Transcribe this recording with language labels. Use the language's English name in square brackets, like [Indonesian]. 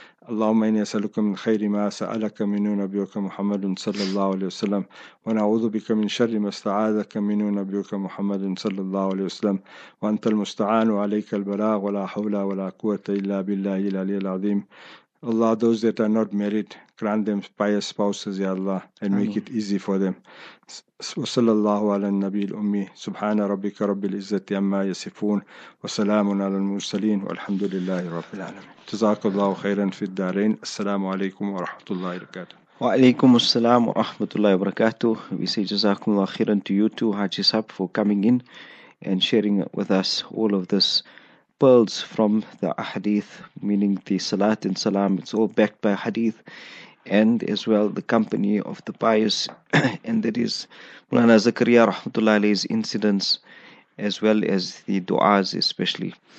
[Arabic] اللهم إني أسألك من خير ما سألك منه نبيك محمد صلى الله عليه وسلم ونعوذ بك من شر ما استعاذك منه نبيك محمد صلى الله عليه وسلم وأنت المستعان عليك البلاغ ولا حول ولا قوة إلا بالله العلي العظيم. [English] Allah, those that are not married, grant them pious spouses, Ya Allah, and Ameen. Make it easy for them. [Arabic] وصلى الله على النبي الأمي سبحان ربك رب العزة عما يصفون وسلام على المرسلين والحمد لله رب العالمين. جزاك الله خيرا في الدارين. السلام عليكم ورحمة الله وبركاته. وعليكم السلام ورحمة الله وبركاته. [English] We say [Arabic] جزاكم الله خيرا [English] to you too, Haji Sahab, for coming in and sharing with us all of this pearls from the hadith, meaning the salat and salam. It's all backed by hadith and as well the company of the pious. And that is Mulana Zakaria Rahmatullahi's incidents as well as the du'as especially.